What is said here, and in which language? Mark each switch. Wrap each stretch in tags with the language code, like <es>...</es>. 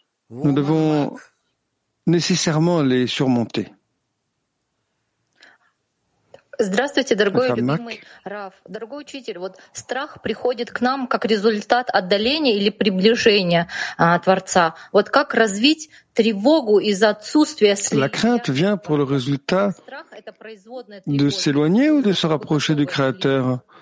<fr>Nous devons nécessairement les surmonter.</fr> <ru>Здравствуйте, дорогой любимый Рав. Дорогой учитель, вот страх приходит к нам как результат отдаления или приближения Творца. Вот как развить тревогу из-за отсутствия слияния?</ru> <fr>La crainte vient pour le résultat de s'éloigner ou de se rapprocher du Créateur?</fr>